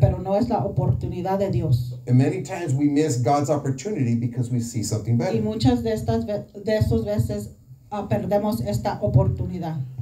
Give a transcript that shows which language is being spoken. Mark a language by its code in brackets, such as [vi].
[es] Pero no es la oportunidad de Dios. [en] And many times we miss God's opportunity because we see something better. [es] Y muchas de estas veces perdemos esta oportunidad.